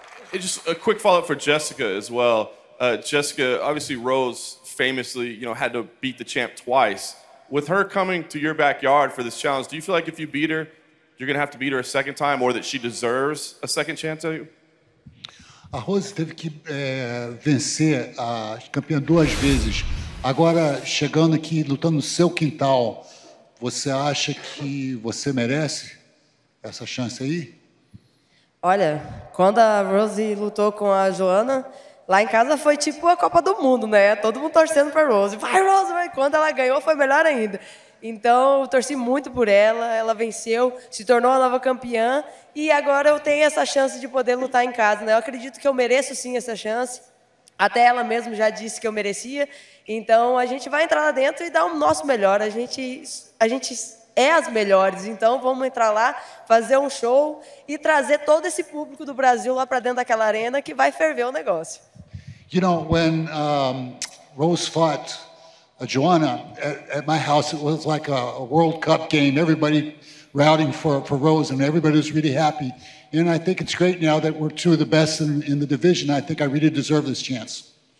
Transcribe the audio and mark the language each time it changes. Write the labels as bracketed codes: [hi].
[en] And just a quick follow-up for Jessica as well. Jessica, obviously Rose famously, you know, had to beat the champ twice. With her coming to your backyard for this challenge, do you feel like if you beat her, you're going to have to beat her a second time, or that she deserves a second chance at you? [pt] A Rose teve que vencer a campeã duas vezes. Agora, chegando aqui, lutando no seu quintal, você acha que você merece essa chance aí? Olha, quando a Rose lutou com a Joana, lá em casa foi tipo a Copa do Mundo, né? Todo mundo torcendo para a Rose. Vai, Rose, vai! Quando ela ganhou, foi melhor ainda. Então, eu torci muito por ela, ela venceu, se tornou a nova campeã e agora eu tenho essa chance de poder lutar em casa, né? Eu acredito que eu mereço sim essa chance, até ela mesma já disse que eu merecia, então a gente vai entrar lá dentro e dar o nosso melhor, a gente é as melhores, então vamos entrar lá, fazer um show e trazer todo esse público do Brasil lá para dentro daquela arena que vai ferver o negócio. [en] You know, when Rose fought Joanna, at my house, it was like a World Cup game. Everybody routing for Rose, and everybody was really happy. And I think it's great now that we're two of the best in the division. I think I really deserve this chance.